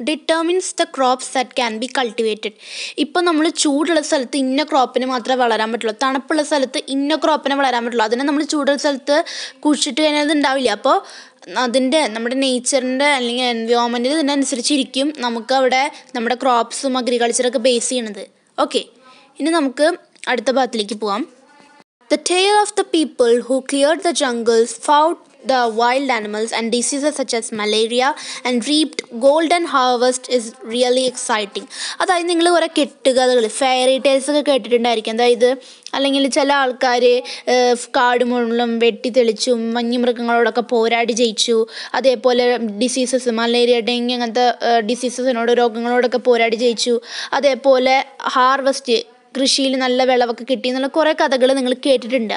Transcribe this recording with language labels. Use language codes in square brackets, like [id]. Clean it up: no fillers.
[en] Determines the crops that can be cultivated. [ml] ഇപ്പോൾ നമ്മൾ ചൂടുള്ള സ്ഥലത്ത് ഇന്ന ക്രോപ്പിനെ മാത്രമേ വളരാൻ പറ്റുള്ളൂ, തണുപ്പുള്ള സ്ഥലത്ത് ഇന്ന ക്രോപ്പിനെ വളരാൻ പറ്റുള്ളൂ. അതിനെ നമ്മൾ ചൂടുള്ള സ്ഥലത്ത് കുഴിച്ചിട്ട് കഴിഞ്ഞാൽ അത് ഉണ്ടാവില്ല. അപ്പോൾ അതിൻ്റെ നമ്മുടെ നേച്ചറിൻ്റെ അല്ലെങ്കിൽ എൻവയോൺമെൻറ്റിൽ ഇതിനനുസരിച്ചിരിക്കും നമുക്ക് അവിടെ നമ്മുടെ ക്രോപ്സും അഗ്രികൾച്ചറൊക്കെ ബേസ് ചെയ്യുന്നത്. ഓക്കെ, ഇനി നമുക്ക് അടുത്ത ഭാഗത്തിലേക്ക് പോവാം. [en] The tale of the people who cleared the jungles, fought the wild animals and diseases such as malaria and reaped golden harvest is really exciting. [ml] അതായത് നിങ്ങൾ കുറേ കെട്ടുകഥകൾ ഫെയറി ടെയിൽസ് ഒക്കെ കേട്ടിട്ടുണ്ടായിരിക്കും. അതായത് അല്ലെങ്കിൽ ചില ആൾക്കാർ കാട് മുഴുവനും വെട്ടി തെളിച്ചും മഞ്ഞ മൃഗങ്ങളോടൊക്കെ പോരാടി ജയിച്ചു, അതേപോലെ ഡിസീസസ് മലേറിയ ഡെങ്കി അങ്ങനത്തെ ഡിസീസസിനോട് രോഗങ്ങളോടൊക്കെ പോരാടി ജയിച്ചു, അതേപോലെ ഹാർവസ്റ്റ് കൃഷിയിൽ നല്ല വിളവൊക്കെ കിട്ടി എന്നുള്ള കുറേ കഥകൾ നിങ്ങൾ കേട്ടിട്ടുണ്ട്.